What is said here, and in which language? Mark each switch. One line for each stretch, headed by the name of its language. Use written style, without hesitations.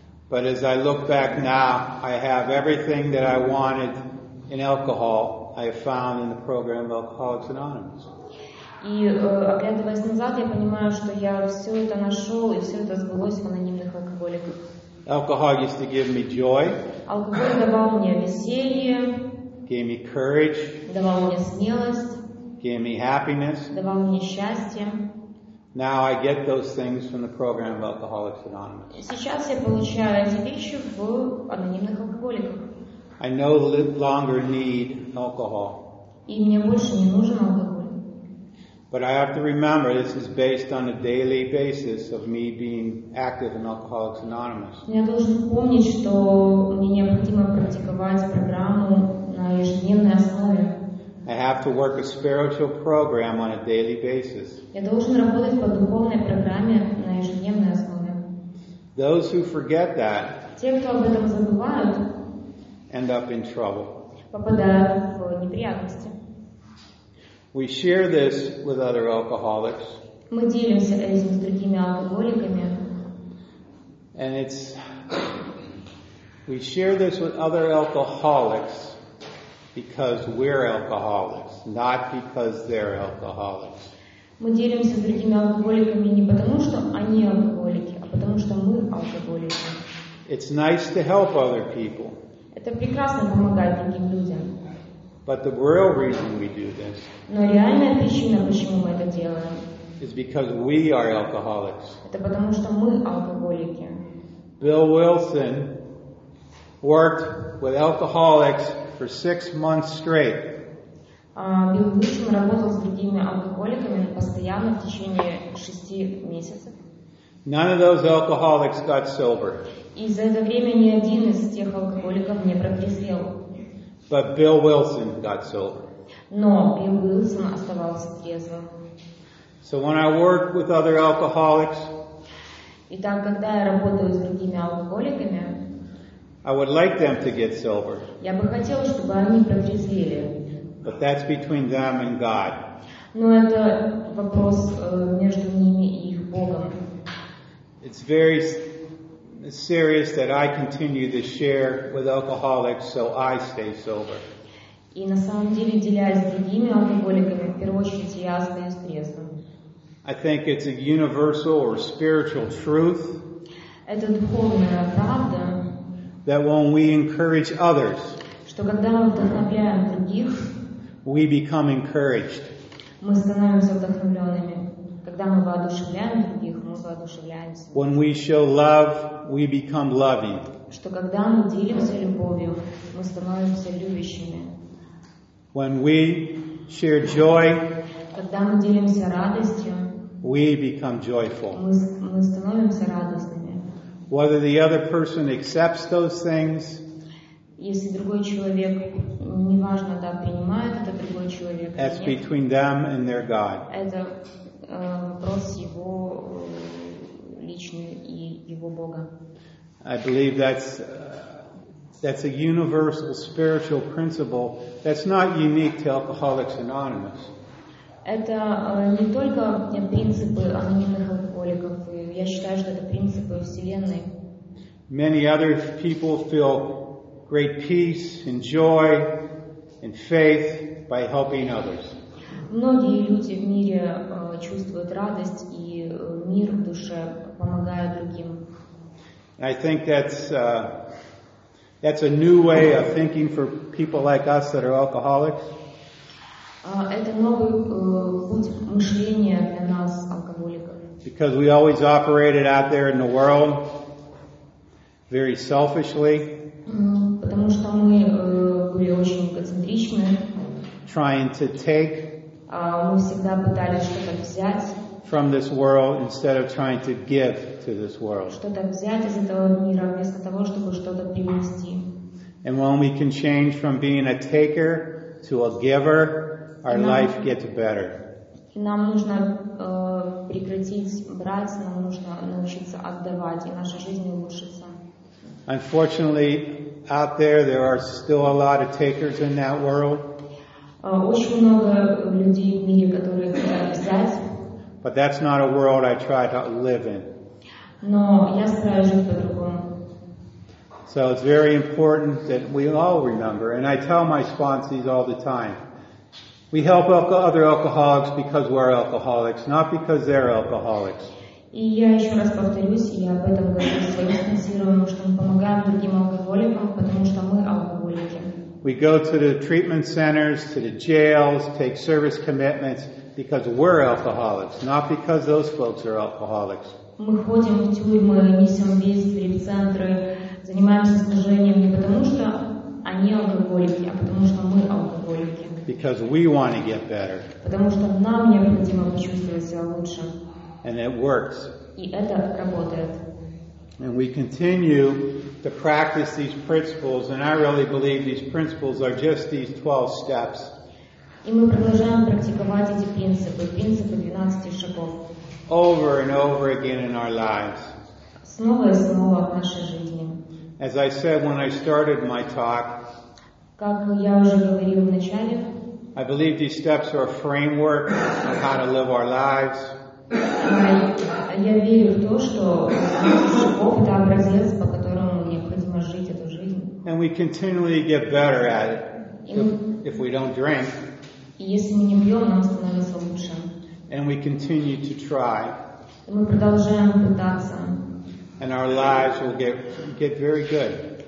English: But as I look back now, I have everything that I wanted in alcohol I found in the program Alcoholics Anonymous.
Russian: И оглядываясь назад, я понимаю, что я все это нашел и все это сбылось в анонимных алкоголиках.
English: Alcohol used to give me joy.
Russian: Алкоголь давал мне веселье.
English: Gave me courage.
Russian: Давал мне смелость.
English: Gave me happiness.
Russian: Давал мне счастье.
English: Now I get those things from the program of Alcoholics Anonymous.
Russian: Сейчас я получаю эти вещи в анонимных алкоголиках.
English: I no longer need alcohol.
Russian: И мне больше не нужен алкоголь.
English: But I have to remember this is based on a daily basis of me being active in Alcoholics Anonymous.
Russian: Я должен помнить, что мне необходимо практиковать программу на ежедневной основе.
English: I have to work a spiritual program on a daily basis.
Russian: Я должен работать по духовной программе на ежедневной основе.
English: Those who forget that,
Russian: те, кто об этом забывают,
English: end up in trouble.
Russian: Попадают в неприятности.
English: We share this with other alcoholics.
Russian: Мы делимся этим с другими алкоголиками.
English: And it's we share this with other alcoholics. Because we're alcoholics, not because they're alcoholics.
Russian: Мы делимся с другими алкоголиками не потому, что они алкоголики, а потому, что мы алкоголики.
English: It's nice to help other people.
Russian: Это прекрасно помогать другим людям.
English: But the real reason we do this.
Russian: Но реальная причина, почему мы это делаем.
English: Is because we are alcoholics.
Russian: Это потому, что мы алкоголики.
English: Bill Wilson worked with alcoholics for 6 months straight.
Russian: Билл Уилсон работал с другими алкоголиками постоянно в течение 6 месяцев.
English: None of those alcoholics got sober.
Russian: И за это время ни один из тех алкоголиков не протрезвел.
English: But Bill Wilson got sober.
Russian: Но Билл Уилсон оставался трезвым.
English: So when I work with other alcoholics,
Russian: итак, когда я работаю с другими алкоголиками,
English: I would like them to get sober.
Russian: Я бы хотел, чтобы они протрезвели.
English: But that's between them and God.
Russian: Но это вопрос между ними и их Богом.
English: It's very serious that I continue to share with alcoholics so I stay sober.
Russian: И на самом деле, делясь с другими алкоголиками, в первую очередь я остаюсь трезвым.
English: I think it's a universal or spiritual truth.
Russian: Это духовная правда.
English: That when we encourage others,
Russian: что когда мы вдохновляем других,
English: we become encouraged.
Russian: Мы становимся вдохновленными. Когда мы воодушевляем других, мы воодушевляемся.
English: When we show love, we become loving.
Russian: Что когда мы делимся любовью, мы становимся любящими.
English: When we share joy,
Russian: когда мы делимся радостью,
English: we become joyful.
Russian: Мы становимся радостными.
English: Whether the other person accepts those things,
Russian: если другой человек, неважно, да, принимает это другой человек,
English: that's between them and their God.
Russian: Это вопрос его личный и его Бога.
English: I believe that's a universal spiritual principle that's not unique to Alcoholics Anonymous.
Russian: Это не только принципы анонимных алкоголиков. Я считаю, что это принципы Вселенной.
English: Many other people feel great peace and joy and faith by helping others.
Russian: Многие люди в мире чувствуют радость и мир в душе, помогая другим.
English: I think that's a new way of thinking for people like us that are alcoholics.
Russian: Это новый путь мышления для нас, алкоголиков.
English: Because we always operated out there in the world very selfishly.
Russian: Потому что мы были очень эгоцентричны.
English: Trying to take.
Russian: Мы всегда пытались что-то взять.
English: From this world instead of trying to give to this world.
Russian: Что-то взять из этого мира вместо того, чтобы что-то принести.
English: And when we can change from being a taker to a giver, our life gets better.
Russian: Нам нужно прекратить брать, нам нужно научиться отдавать, и наша жизнь улучшится.
English: Unfortunately, out there are still a lot of takers in that world.
Russian: Очень много людей в мире, которые хотят взять.
English: But that's not a world I try to live in.
Russian: Но я стараюсь жить по-другому.
English: So it's very important that we all remember. And I tell my sponsees all the time, we help other alcoholics because we're alcoholics, not because they're alcoholics.
Russian: И я еще раз повторюсь, я об этом говорю своим спонсорам, что мы помогаем другим алкоголикам, потому что мы алкоголики.
English: We go to the treatment centers, to the jails, take service commitments because we're alcoholics, not because those folks are alcoholics.
Russian: Мы ходим в тюрьмы, несем бедствия в центры, занимаемся служением не потому что они алкоголики, а потому что мы алкоголики.
English: Because we want to get better.
Russian: Потому что нам необходимо почувствовать себя лучше.
English: And it works.
Russian: И это работает.
English: And we continue to practice these principles, and I really believe these principles are just these 12 steps.
Russian: И мы продолжаем практиковать эти принципы, принципы 12 шагов.
English: Over and over again in our lives.
Russian: Снова и снова в нашей жизни.
English: As I said when I started my talk,
Russian: как я уже говорил в начале,
English: I believe these steps are a framework on how to live our lives.
Russian: Я верю в то, что Бог — это образец, по которому необходимо жить эту жизнь.
English: And we continually get better at it if we don't drink.
Russian: И если мы не пьем, нам становится лучше.
English: And we continue to try.
Russian: И мы продолжаем пытаться.
English: And our lives will get very good.